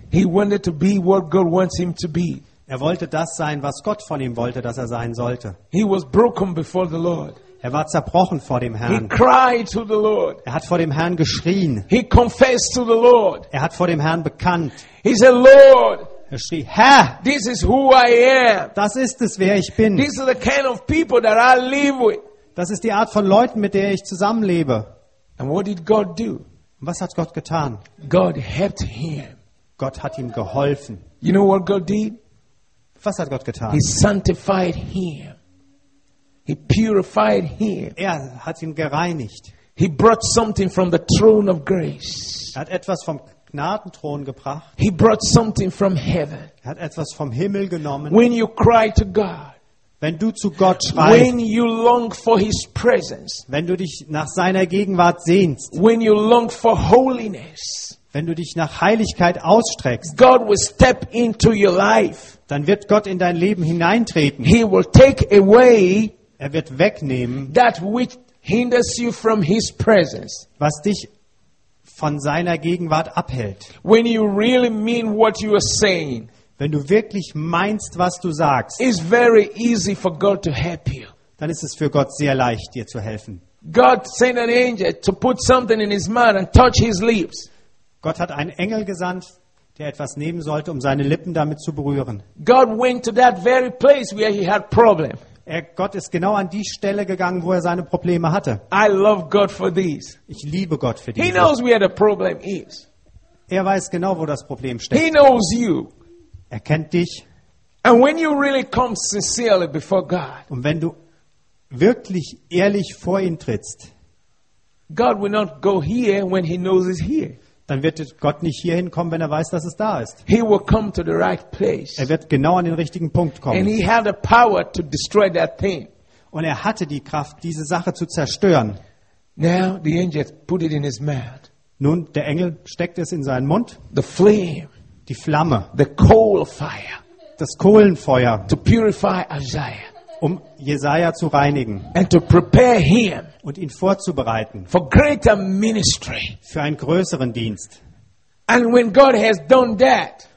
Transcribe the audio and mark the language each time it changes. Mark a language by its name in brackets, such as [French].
[English] He wanted to be what God wants him to be. [German] Er wollte das sein, was Gott von ihm wollte, dass er sein sollte. [English] He was broken before the Lord. [German] Er war zerbrochen vor dem Herrn. [English] He cried to the Lord. [German] Er hat vor dem Herrn geschrien. [English] He confessed to the Lord. [German] Er hat vor dem Herrn bekannt. [English] He said, Lord, [German] er schrie, Herr, [English] this is who I am. [German] Das ist es, wer ich bin. [English] This is the kind of people that I live with. [German] Das ist die Art von Leuten, mit der ich zusammenlebe. [English] And what did God do? [German] Was hat Gott getan? [English] God helped him. [German] Gott hat ihm geholfen. [English] You know what God did? [German] Was hat Gott getan? [English] He sanctified him. He purified him. [German] Er hat ihn gereinigt. [English] He brought something from the throne of grace. [German] Er hat etwas vom Gnadenthron gebracht. [English] He brought something from heaven. [German] Er hat etwas vom Himmel genommen. [English] When you cry to God, [German] wenn du zu Gott schreist, [English] when you long for his presence, [German] wenn du dich nach seiner Gegenwart sehnst, [English] when you long for holiness, [German] wenn du dich nach Heiligkeit ausstreckst, [English] God will step into your life. [German] Dann wird Gott in dein Leben hineintreten. [English] He will take away, [German] er wird wegnehmen, [English] that which hinders you from his presence, [German] was dich von seiner Gegenwart abhält. [English] When you really mean what you are saying, [German] wenn du wirklich meinst, was du sagst, [English] it's very easy for God to help you. [German] Dann ist es für Gott sehr leicht, dir zu helfen. [English] God sent an angel to put something in his mouth and touch his lips. [German] Gott hat einen Engel gesandt, der etwas nehmen sollte, um seine Lippen damit zu berühren. [English] God went to that very place where he had problem. [German] Gott ist genau an die Stelle gegangen, wo er seine Probleme hatte. [English] I love God for this. [German] Ich liebe Gott für dies. [English] He knows where the problem is. [German] Er weiß genau, wo das Problem steckt. [English] He knows you. [German] Er kennt dich. [English] And when you really come sincerely before God, [German] und wenn du wirklich ehrlich vor ihn trittst, [English] God will not go here when he knows he's here. [German] Dann wird Gott nicht hier hinkommen, wenn er weiß, dass es da ist. [English] He will come to the right place. [German] Er wird genau an den richtigen Punkt kommen. [English] And he had the power to destroy that thing. [German] Und er hatte die Kraft, diese Sache zu zerstören. [English] Now the angel put it in his mouth. [German] Nun, der Engel steckt es in seinen Mund. [English] The flame, [German] die Flamme. [English] The coal fire, [German] das Kohlenfeuer. [English] To purify Isaiah, [German] um Jesaja zu reinigen. [English] And to prepare him, [German] und ihn vorzubereiten [English] for greater ministry, [German] für einen größeren Dienst. [English] And when God has done that,